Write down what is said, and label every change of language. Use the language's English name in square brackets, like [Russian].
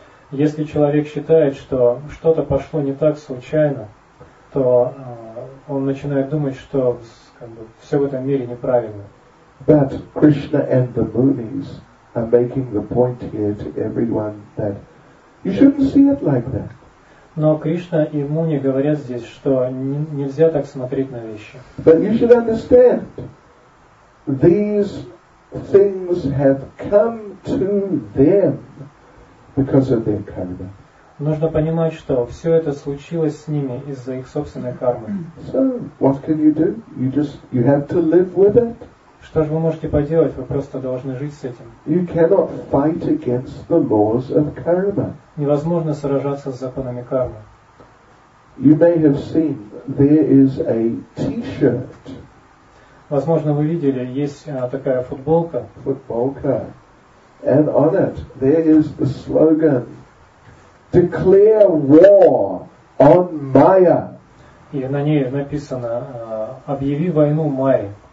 [Russian] Если человек считает, что что-то пошло не так случайно, то он начинает думать, что как бы, все в этом мире неправильно. [English] But Krishna and the Munis are making the point here to everyone that you shouldn't see it like that. [Russian] Но Кришна и Муни говорят здесь, что нельзя так смотреть на вещи. [English] But you should understand, these things have come to them. Because of their karma. [Russian] Нужно понимать, что все это случилось с ними из-за их собственной кармы. [English] So, what can you do? You have to live with it. [Russian] Что же вы можете поделать? Вы просто должны жить с этим. [English] You cannot fight against the laws of karma. [Russian] Невозможно сражаться с законами кармы. [English] You may have seen there is a T-shirt. [Russian] Возможно, вы видели, есть такая футболка. Футболка. [English] And on it, there is the slogan, declare war on Maya. [Russian] И на ней написано, объяви войну Майе.